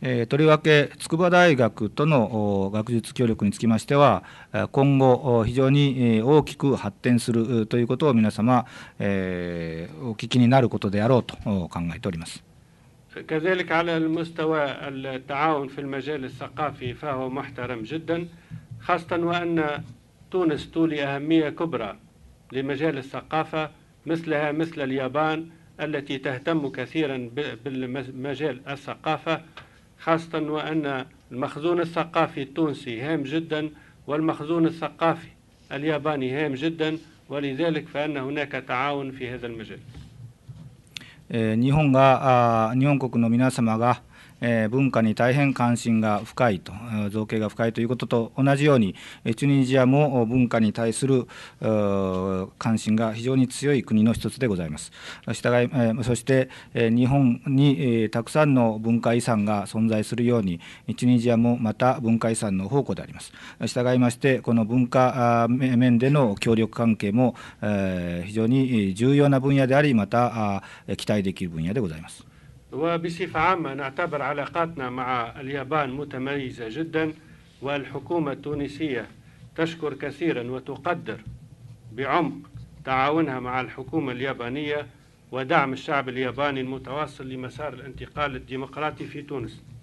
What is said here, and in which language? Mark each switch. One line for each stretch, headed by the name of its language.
Japanese: とりわけ筑波大学との学術協力につきましては、今後非常に大きく発展するということを皆様お聞きになることであろうと考えております。
Arabic: كذلك على المستوى التعاون في المجال الثقافي فهو محترم جدا خاصة وأن تونس تولي أهمية كبرى لمجال الثقافة مثلها مثل اليابان التي تهتم كثيرا بالمجال الثقافة خاصة وأن المخزون الثقافي التونسي هام جدا والمخزون الثقافي الياباني هام جدا ولذلك فأن هناك تعاون في هذا المجال。
Japanese: 日本国の皆様が文化に大変関心が深いと、造詣が深いということと同じように、チュニジアも文化に対する関心が非常に強い国の一つでございます。従い、そして日本にたくさんの文化遺産が存在するように、チュニジアもまた文化遺産の宝庫であります。従いまして、この文化面での協力関係も非常に重要な分野であり、また期待できる分野でございます。
Arabic: وبصفة عامة نعتبر علاقاتنا مع اليابان متميزة جدا والحكومة التونسية تشكر كثيرا وتقدر بعمق تعاونها مع الحكومة اليابانية ودعم الشعب الياباني المتواصل لمسار الانتقال الديمقراطي في تونس。